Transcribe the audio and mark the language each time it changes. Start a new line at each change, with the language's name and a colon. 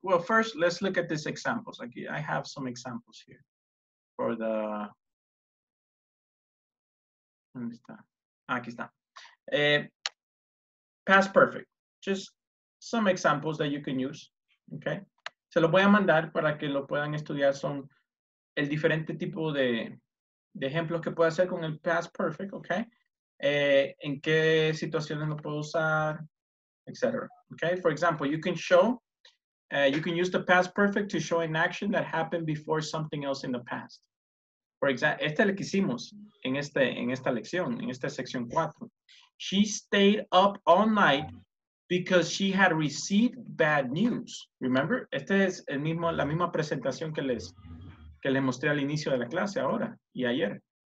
English: Well, first, let's look at these examples. Okay, I have some examples here for the.
Spanish: ¿Dónde está? Aquí está.
English: Past perfect. Just some examples that you can use, okay?
Spanish: Se los voy a mandar para que lo puedan estudiar. Son el diferente tipo de ejemplos que puedo hacer con el past perfect, ¿ok? En qué situaciones lo puedo usar, etc. ¿Ok?
English: For example, you can show, you can use the past perfect to show an action that happened before something else in the past. For example,
Spanish: este es el que hicimos en esta lección, en esta sección 4.
English: She stayed up all night because she had received bad news. Remember?
Spanish: Este es la misma presentación que les mostré al inicio de la clase ahora y ayer.